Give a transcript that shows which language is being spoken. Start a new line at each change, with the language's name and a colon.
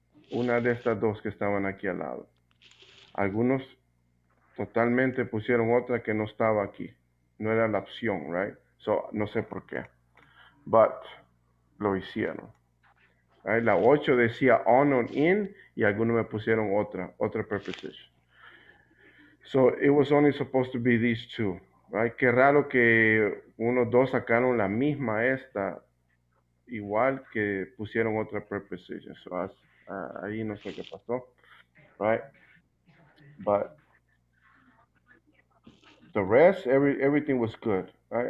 Spanish: Una de estas dos que estaban aquí al lado. Algunos totalmente pusieron otra que no estaba aquí. No era la opción,
English: right? So,
Spanish: no sé por qué.
English: But,
Spanish: lo hicieron.
English: Right?
Spanish: La 8 decía
English: on or in,
Spanish: y algunos me pusieron otra preposition.
English: So, it was only supposed to be these two.
Spanish: Ay, qué raro que unos dos sacaron la misma esta, igual que pusieron otra preposition.
English: So,
Spanish: ahí no sé qué pasó.
English: Right? But the rest, everything was good. Right?